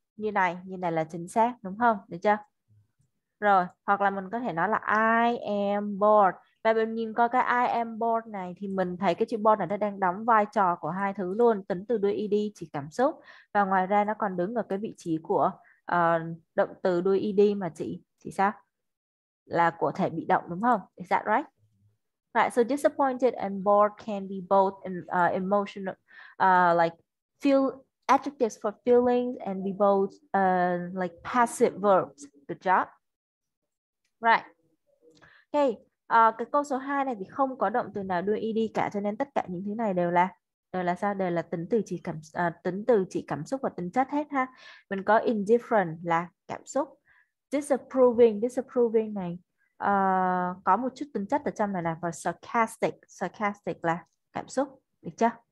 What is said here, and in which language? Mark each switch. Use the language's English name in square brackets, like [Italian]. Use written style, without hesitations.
[Vietnamese] Như này là chính xác, đúng không? Được chưa? Rồi, hoặc là mình có thể nói là [English] I am bored. [Vietnamese] Và mình nhìn coi cái [English] I am bored [Vietnamese] này thì mình thấy cái chữ bored này nó đang đóng vai trò của hai thứ luôn. Tính từ đuôi ed chỉ cảm xúc. Và ngoài ra nó còn đứng ở cái vị trí của động từ đuôi ed mà chỉ sao? Là của thể bị động, đúng không? [English] Is that right? Right, so disappointed and bored can be both emotional, like feel adjectives for feelings, and be both like passive verbs. Good job. Right. Okay. [Vietnamese] Cái câu số 2 này thì không có động từ nào đuôi ed cả, cho nên tất cả những thứ này đều là sao? Đều là tính từ chỉ cảm xúc và tính chất hết ha. Mình có indifferent là cảm xúc. Disapproving này có một chút tính chất ở trong này, là và sarcastic là cảm xúc, được chưa?